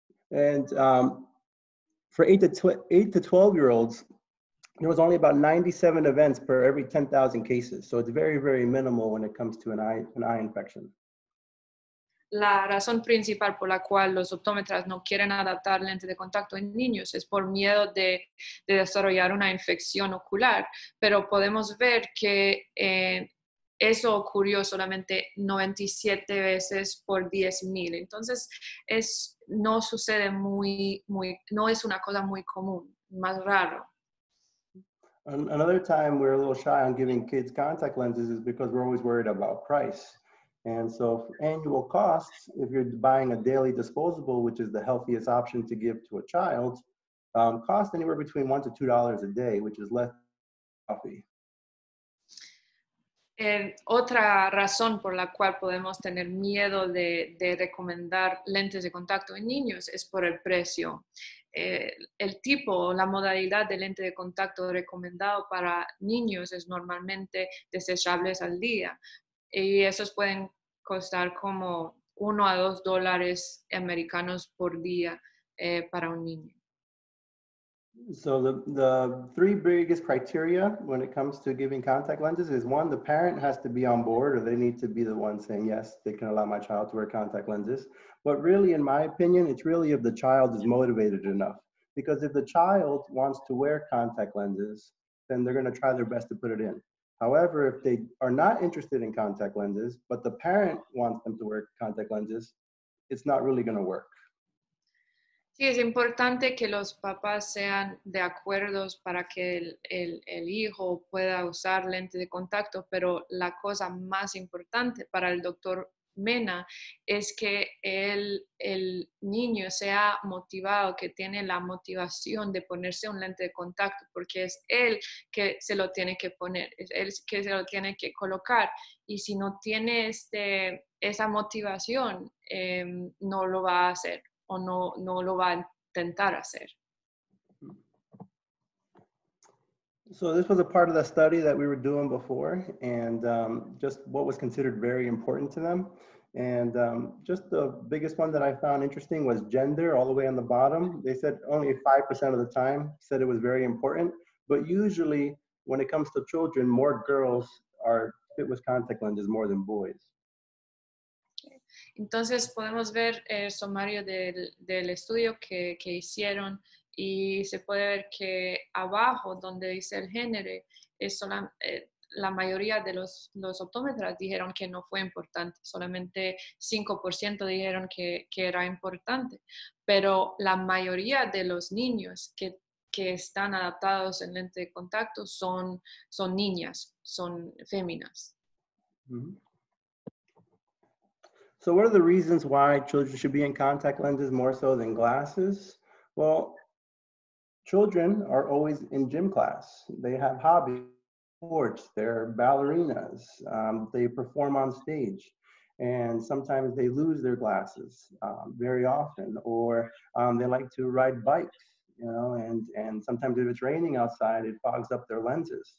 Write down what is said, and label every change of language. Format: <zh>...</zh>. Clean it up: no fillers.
<en>For 8 to 12 year olds, there was only about 97 events per every 10,000 cases. So it's very, very minimal when it comes to an eye infection.</en> <es>La razón principal por la cual los optómetras no quieren adaptar lentes de contacto en niños es por miedo de desarrollar una infección ocular. Pero podemos ver que eso ocurrió solamente 97 veces por 10,000. Entonces, no sucede muy, no es una cosa muy común, más raro.</es> <en>Another time we're a little shy on giving kids contact lenses is because we're always worried about price. And so annual costs, if you're buying a daily disposable, which is the healthiest option to give to a child, cost anywhere between $1 to $2 a day, which is less than coffee.</en> <es>Otra razón por la cual podemos tener miedo de recomendar lentes de contacto en niños es por el precio. El tipo o la modalidad de lente de contacto recomendado para niños es normalmente desechables al día. Y esos pueden costar como $1 a $2 americanos por día para un niño.</es> <en>So the three biggest criteria when it comes to giving contact lenses is one, the parent has to be on board, or they need to be the one saying, yes, they can allow my child to wear contact lenses. But really, in my opinion, it's really if the child is motivated enough. Because if the child wants to wear contact lenses, then they're going to try their best to put it in. However, if they are not interested in contact lenses, but the parent wants them to wear contact lenses, it's not really going to work.</en> <es>Sí, es importante que los papás sean de acuerdo para que el hijo pueda usar lentes de contacto, pero la cosa más importante para el doctor Mena es que el niño sea motivado, que tiene la motivación de ponerse un lente de contacto, porque es él que se lo tiene que poner, es él que se lo tiene que colocar, y si no tiene esa motivación, no lo va a hacer. O no lo va a intentar hacer.</es> <en>So this was a part of the study that we were doing before, and just what was considered very important to them. And just the biggest one that I found interesting was gender, all the way on the bottom. They said only 5% of the time said it was very important, but usually when it comes to children, more girls are fit with contact lenses more than boys.</en> <es>Entonces podemos ver el sumario del estudio que hicieron y se puede ver que abajo donde dice el género es la mayoría de los optómetras dijeron que no fue importante, solamente 5% dijeron que era importante, pero la mayoría de los niños que están adaptados en lente de contacto son niñas, son féminas. Mm-hmm.</es> <en>So what are the reasons why children should be in contact lenses more so than glasses? Well, children are always in gym class. They have hobbies, sports, they're ballerinas, they perform on stage, and sometimes they lose their glasses very often, or they like to ride bikes, you know, and sometimes if it's raining outside, it fogs up their lenses.</en>